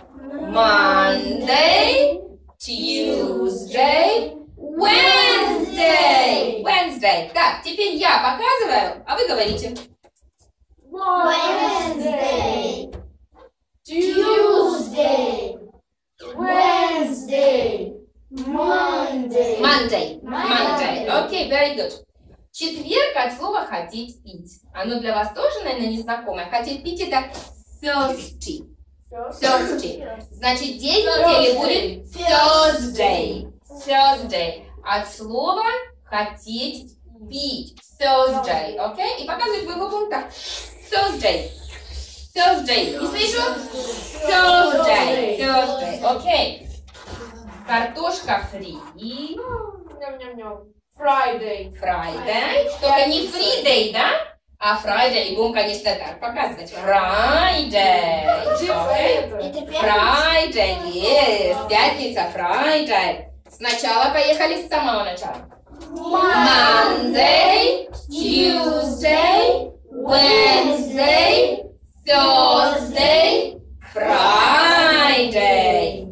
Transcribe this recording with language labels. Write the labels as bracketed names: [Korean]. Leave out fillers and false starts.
[English] Monday, Tuesday, Wednesday. Wednesday. [Russian] Так, теперь я показываю, а вы говорите. [English] Wednesday, Tuesday, Wednesday, Monday. Monday. Monday. Okay, very good. [Russian] Четверг от слова «хотеть пить». Оно для вас тоже, наверное, незнакомое. «Хотеть пить» – это «thirsty». [English] Thursday. [Russian] Значит, день недели будет Thursday. Thursday. От слова хотеть пить. Thursday. Окей? Okay? И показывает в его пункта. [English] Thursday. Thursday. [Russian] Не слышу? [English] Thursday. Thursday. Окей. Okay. [Russian] Картошка фри. [English] Friday. Friday. [Russian] Только не Friday, да? А Friday, и будем, конечно, так показывать. [English] Friday. Okay. Это Friday, yes. [Russian] Пятница, Friday. Сначала поехали с самого начала. [English] Monday, Tuesday, Wednesday, Thursday, Friday.